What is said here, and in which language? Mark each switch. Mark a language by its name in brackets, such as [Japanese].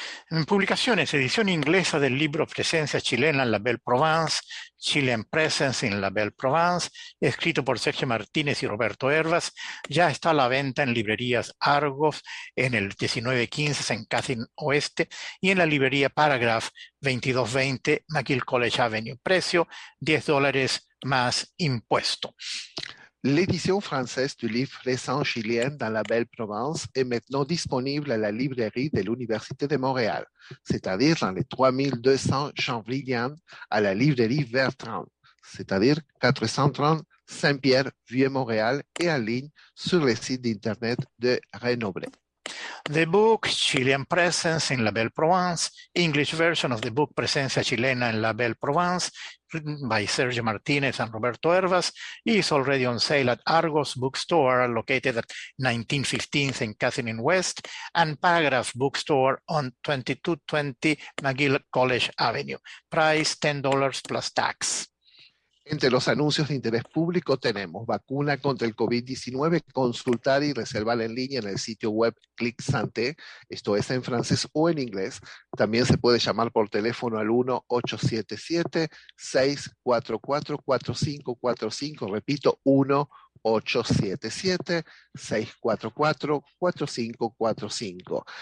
[Spanish] En publicaciones, edición inglesa del libro Presencia Chilena en la Belle Provence, Chilean Presence in la Belle Provence, escrito por Sergio Martínez y Roberto Hervas, ya está a la venta en librerías Argos en el 1915 en Cathin Oeste y en la librería Paragraph 2220 McGill College Avenue. Precio $10 más impuesto. [French] L'édition française du livre Présence chilienne dans la Belle Provence est maintenant disponible à la librairie de l'Université de Montréal, c'est-à-dire dans les 3200 Champlain, à la librairie Bertrand, c'est-à-dire 430 Saint-Pierre, Vieux-Montréal, et en ligne sur le site d'Internet de Renoblet. [English] The book Chilean Presence in la Belle Provence, English version of the book Presencia Chilena en la Belle Provence, written by Sergio Martínez and Roberto Hervas, is already on sale at Argos Bookstore, located at 1915 St. Catherine West, and Paragraph Bookstore on 2220 McGill College Avenue. Price $10 plus tax. [Spanish] Entre los anuncios de interés público tenemos vacuna contra el COVID-19, consultar y reservar en línea en el sitio web Clic Santé, esto es en francés o en inglés. También se puede llamar por teléfono al 1-877-644-4545, repito, 1-877-644-4545.